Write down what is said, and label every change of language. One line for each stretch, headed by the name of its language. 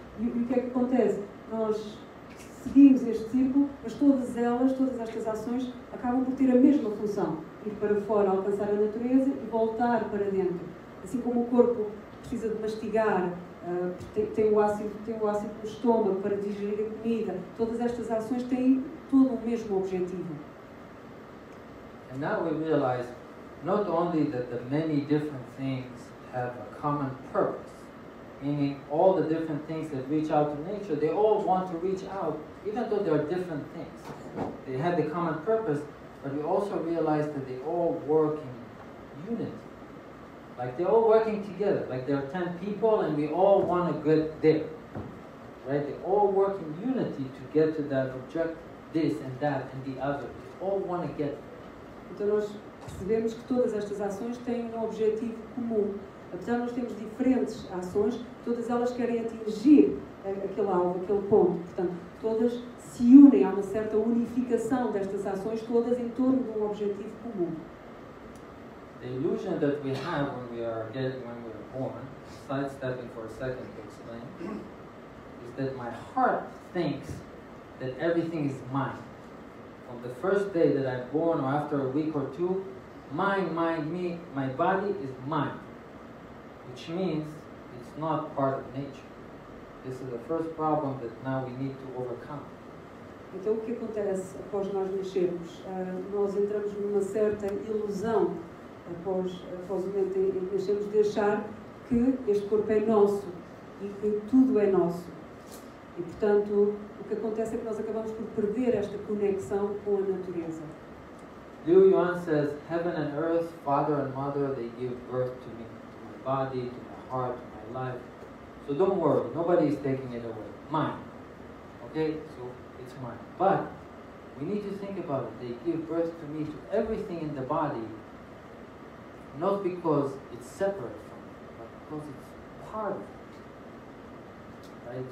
Portuguese: E o que é que acontece? Nós seguimos este ciclo, mas todas elas, todas estas ações, acabam por ter a mesma função, ir para fora, alcançar a natureza e voltar para dentro. Assim como o corpo precisa de mastigar, tem o ácido no estômago para digerir a comida. Todas estas ações têm todo o mesmo objetivo.
English: And now we realize not only that the many different things have a common purpose, meaning all the different things that reach out to nature, they all want to reach out, even though they are different things. They have the common purpose, but we also realize that they all work in unity. Like they're all working together, like there are 10 people and we all want a good day. Right? They all work in unity to get to that objective, this and that and the other. They all want to get there.
Portuguese: Então nós percebemos que todas estas ações têm um objetivo comum. Apesar de nós termos diferentes ações, todas elas querem atingir aquele alvo, aquele ponto. Portanto, todas se unem, há uma certa unificação destas ações, todas em torno de um objetivo comum.
English: The illusion that we have when we are born, sidestepping for a second to explain, is that my heart thinks that everything is mine. From the first day that I'm born or after a week or two, my body is mine. Which means it's not part of nature. This is the first problem that now we need to overcome.
Portuguese: Então, o que acontece após nós nascermos? Nós entramos numa certa ilusão após o momento em que nascemos de achar que este corpo é nosso e que tudo é nosso. E, portanto, o que acontece é que nós acabamos por perder esta conexão com a natureza.
English: Liu Yuan says, heaven and earth, father and mother, they give birth to me. Body, to my heart, to my life. So don't worry, nobody is taking it away. Mine. Okay? So it's mine. But we need to think about it. They give birth to me, to everything in the body, not because it's separate from me, but because it's part of me. Right?